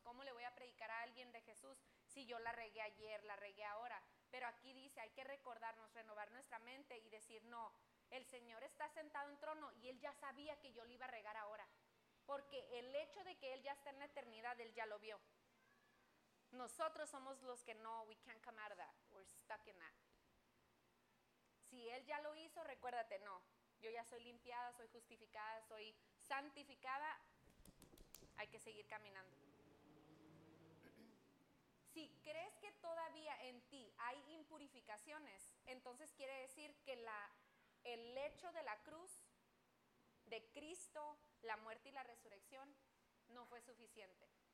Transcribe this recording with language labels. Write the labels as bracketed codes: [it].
[es] ¿Cómo le voy a predicar a alguien de Jesús si yo la regué ayer, la regué ahora? Pero aquí dice, hay que recordarnos, renovar nuestra mente y decir no. El Señor está sentado en trono y Él ya sabía que yo le iba a regar ahora. Porque el hecho de que Él ya está en la eternidad, Él ya lo vio. Nosotros somos los que no, [en] we can't come out of that, we're stuck in that. [es] Si Él ya lo hizo, recuérdate, no, yo ya soy limpiada, soy justificada, soy santificada, hay que seguir caminando. Si crees que todavía en ti hay impurificaciones, entonces quiere decir que el hecho de la cruz, de Cristo, la muerte y la resurrección, no fue suficiente.